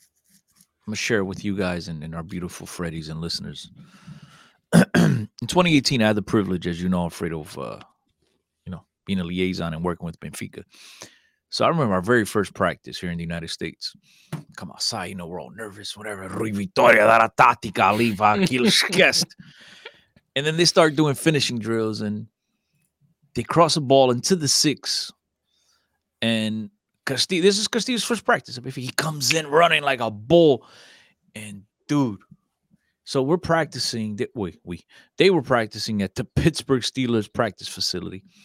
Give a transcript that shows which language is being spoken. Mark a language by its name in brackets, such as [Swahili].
[English] I'm gonna share it with you guys and our beautiful Freddies and listeners. In 2018, I had the privilege, as you know, Alfredo, of being a liaison and working with Benfica. So I remember our very first practice here in the United States. Come outside, we're all nervous, whatever. [Portuguese] Rui Vitória, dar a tática ali, vá, aquilo esquece. [English] And then they start doing finishing drills, and they cross a ball into the six. And this is Castillo's first practice. He comes in running like a bull, and dude. So we're practicing, they were practicing at the Pittsburgh Steelers practice facility.